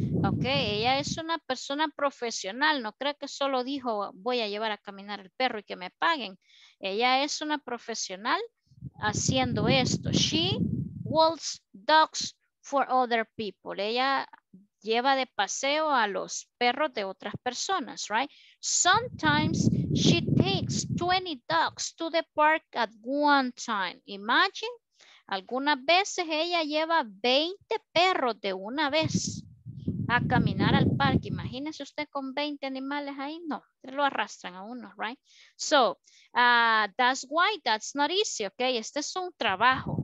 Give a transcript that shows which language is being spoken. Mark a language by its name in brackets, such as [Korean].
[Spanish] Ok, ella es una persona profesional. No creo que solo dijo voy a llevar a caminar el perro y que me paguen. Ella es una profesional haciendo esto. [English] She walks dogs for other people. [Spanish] Ella lleva de paseo a los perros de otras personas, right? [English] Sometimes she takes 20 dogs to the park at one time. Imagine. [Spanish] Algunas veces ella lleva 20 perros de una vez a caminar al parque. Imagínese usted con 20 animales ahí. No, lo arrastran a uno, right? [English] So, that's why that's not easy, okay? [Spanish] Este es un trabajo.